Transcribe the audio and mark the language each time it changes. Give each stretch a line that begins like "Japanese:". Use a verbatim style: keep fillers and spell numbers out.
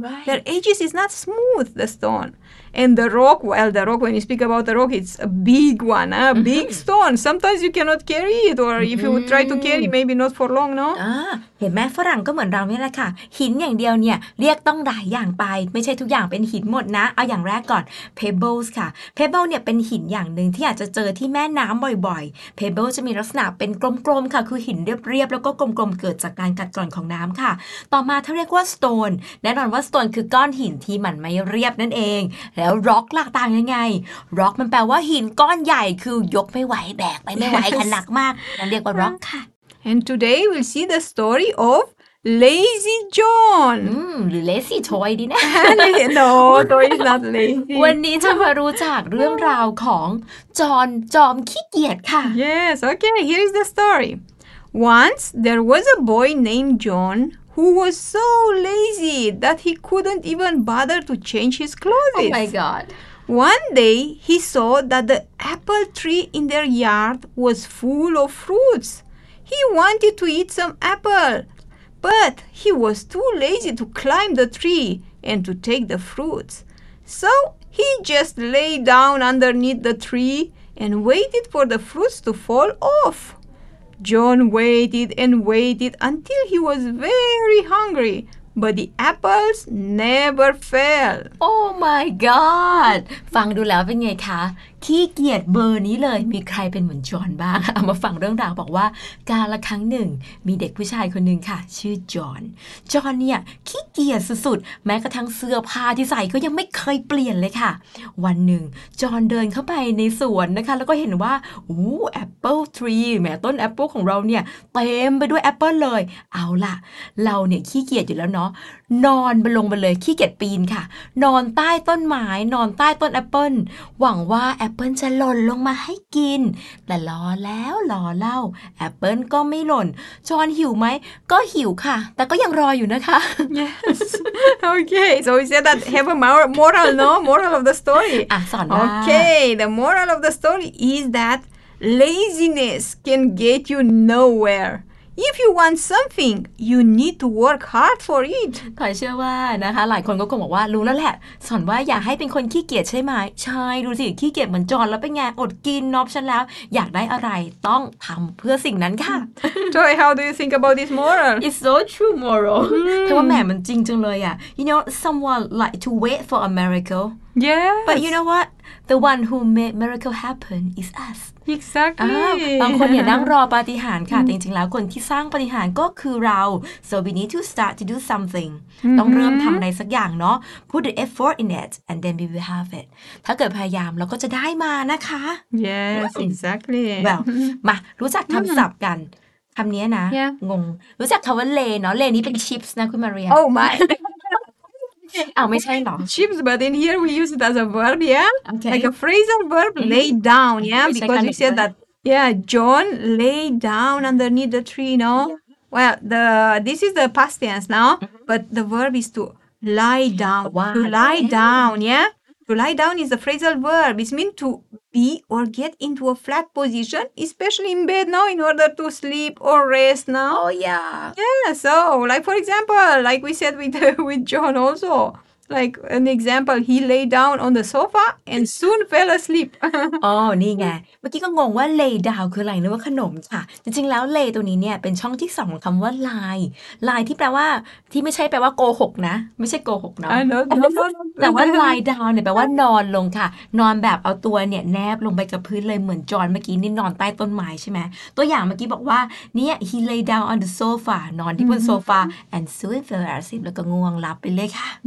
English: Right. their edges is not smooth the stone and the rock well the rock when you speak about the rock it's a big one a huh? big stone sometimes you cannot carry it or if you would try to carry maybe not for long no
Thai: อ่าเห็นไหมฝรั่งก็เหมือนเราเนี่ยแหละค่ะหินอย่างเดียวเนี่ยเรียกต้องหลายอย่างไปไม่ใช่ทุกอย่างเป็นหินหมดนะเอาอย่างแรกก่อน pebbles ค่ะ pebble เนี่ยเป็นหินอย่างนึงที่อาจจะเจอที่แม่น้ำบ่อยๆ pebble จะมีลักษณะเป็นกลมๆค่ะคือหินเรียบๆแล้วก็กลมๆเกิดจากการกัดกร่อนของน้ำค่ะต่อมาถ้าเรียกว่า stone แน่นอนว่า stone คือก้อนหินที่มันไม่เรียบนั่นเองแล้ว rock หลักต่างยังไง rock มันแปลว่าหินก้อนใหญ่คือยกไม่ไหวแบกไปไม่ไหวค่ะหนักมากเราเรียกว่า rock ค่ะ
English: and today we'll see the story of lazy john
Thai: อืมหรือ lazy toy ดีนะ
English: no toy is not lazy
Thai: วันนี้จะมารู้จักเรื่องราวของจอนจอมขี้เกียจค่ะ
English: yes okay here is the story Once there was a boy named John who was so lazy that he couldn't even bother to change his clothes. Oh my God. One day he saw that the apple tree in their yard was full of fruits. He wanted to eat some apple, but he was too lazy to climb the tree and to take the fruits. So he just lay down underneath the tree and waited for the fruits to fall off. John waited and waited until he was very hungry, but the apples never fell. Oh my God!
Thai: ฟังดูแล้วเป็นไงคะขี้เกียจเบอร์นี้เลยมีใครเป็นเหมือนจอห์นบ้างเอามาฟังเรื่องราวบอกว่าการละครั้งหนึ่งมีเด็กผู้ชายคนหนึ่งค่ะชื่อจอห์นจอห์นเนี่ยขี้เกียจสุดๆแม้กระทั่งเสื้อผ้าที่ใส่ก็ยังไม่เคยเปลี่ยนเลยค่ะวันหนึ่งจอห์นเดินเข้าไปในสวนนะคะแล้วก็เห็นว่าอู้แอปเปิลทรีแม้ต้นแอปเปิลของเราเนี่ยเต็มไปด้วยแอปเปิลเลยเอาล่ะเราเนี่ยขี้เกียจอยู่แล้วเนาะ นอนลงไปเลยขี้เกียจปีนค่ะนอนใต้ต้นไม้นอนใต้ต้นแอปเปิลหวังว่าแอปเปิ้ลจะหล่นลงมาให้กินแต่รอแล้วรอเล่าแอปเปิ้ลก็ไม่หล่นจอห์นหิวไหมก็หิวค่ะแต่ก็ยังรออยู่นะคะ
English: Yes Okay so we said that have a moral no moral of the story
Thai: อ่ะสอนว่า
English: Okay the moral of the story is that laziness can get you nowhere If you want something you need to work hard for it
Thai: ขอเชื่อว่านะคะหลายคนก็คงบอกว่ารู้แล้วแหละสอนว่าอย่าให้เป็นคนขี้เกียจใช่ไหมใช่ดูสิขี้เกียจเหมือนจอนแล้วเป็นไงอดกินนอบฉันแล้วอยากได้อะไรต้องทำเพื่อสิ่งนั้นค่ะ
English: Joy how do you think about this moral It's so true moral
Thai: แต่ว่าแหม่มันจริงจังเลยอ่ะ
English: You know someone like to wait for a miracle Yes But you know what The one who made miracle happen is us Exactly
Thai: บางคนเนี่ยนั่งรอปาฏิหาริย์ค่ะแต่จริงๆแล้วคนที่สร้างปาฏิหาริย์ก็คือเรา
English: So we need to start to do something
Thai: ต้องเริ่มทำอะไรสักอย่างเนาะ
English: Put the effort in it and then we will have it
Thai: ถ้าเกิดพยายามเราก็จะได้มานะคะ
English: Yes exactly
Thai: Well มารู้จักคำศัพท์กันคำนี้นะ
English: yeah.
Thai: งงรู้จักคำว่าเลเนาะเลนี้เป็นชิปส์นะคุณมาเรีย
English: Oh my
Thai: อ้าวไม่ใช่หรอ
English: Chips but in here we use it as a verb yeah okay. like a phrasal verb mm-hmm. lay down yeah we because you said that yeah John lay down underneath the tree no yeah. well the this is the past tense now mm-hmm. but the verb is to lie down wow. to lie yeah. down yeah to lie down is a phrasal verb it means to be or get into a flat position especially in bed now in order to sleep or rest now oh yeah yeah so like for example like we said with with John also Like an example, he lay down on the sofa and soon fell asleep.
Thai: อ๋อ นี่ไง เมื่อกี้ก็งงว่า lay down คืออะไรนึกว่าขนมค่ะ จริงๆ แล้ว lay ตัวนี้เนี่ยเป็นช่องที่สองของคำว่า lie lie ที่แปลว่าที่ไม่ใช่แปลว่าโกหกนะ ไม่ใช่โกหกเนาะ
English: I know, no, no, no.
Thai: แต่ว่า lie down เนี่ยแปลว่านอนลงค่ะ นอนแบบเอาตัวเนี่ยแนบลงไปกับพื้นเลยเหมือนจอนเมื่อกี้นี่นอนใต้ต้นไม้ใช่ไหม ตัวอย่างเมื่อกี้บอกว่าเนี่ย
English: he lay down on the sofa
Thai: นอนที่บนโซฟา
English: and soon fell asleep
Thai: แล้วก็ง่วงหลับไปเลยค่ะ